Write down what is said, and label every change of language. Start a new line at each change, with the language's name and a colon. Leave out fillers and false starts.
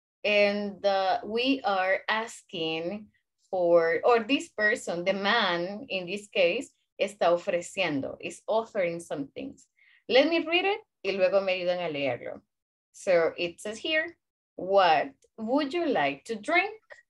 English: And we are asking for, or this person, the man in this case,
Spanish: está ofreciendo,
English: is offering some things. Let me read it
Spanish: y luego me ayudan a leerlo.
English: So it says here, what would you like to drink?